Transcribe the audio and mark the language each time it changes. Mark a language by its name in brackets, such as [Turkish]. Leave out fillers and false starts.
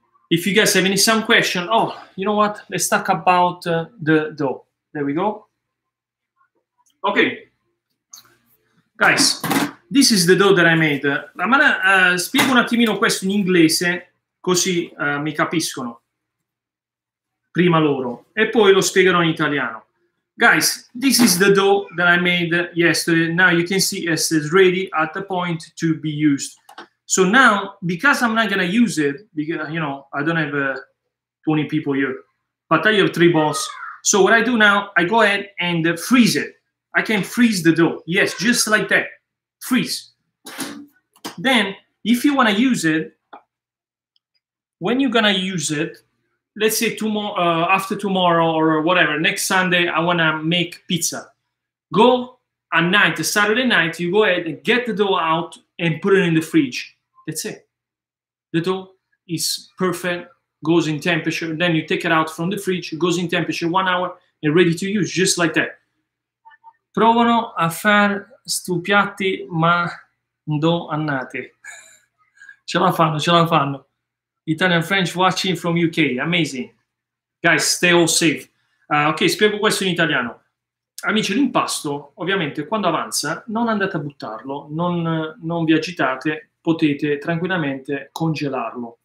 [English] If you guys have any some question, oh, you know what? Let's talk about the dough. There we go. Okay. Guys, this is the dough that I made. [Italian] Ramana, spiego un attimino questo in inglese, così mi capiscono. Prima loro. E poi lo spiegherò in italiano. [English] Guys, this is the dough that I made yesterday. Now you can see it's ready at the point to be used. So now, because I'm not going to use it, because, you know, I don't have 20 people here, but I have three balls. So what I do now, I go ahead and freeze it. I can freeze the dough. Yes, just like that. Freeze. Then, if you want to use it, when you're going to use it, let's say after tomorrow or whatever, next Sunday, I want to make pizza. Go at night, Saturday night, you go ahead and get the dough out and put it in the fridge. That's it. The dough is perfect, goes in temperature. Then you take it out from the fridge, goes in temperature 1 hour, and ready to use, just like that. [Italian] Provano a fare stu piatti, ma do annate. Ce la fanno, ce la fanno. [English] Italian French watching from UK. Amazing. Guys, stay all safe. [Italian] Ok, spiego questo in italiano. Amici, l'impasto, ovviamente, quando avanza, non andate a buttarlo, non vi agitate, potete tranquillamente congelarlo.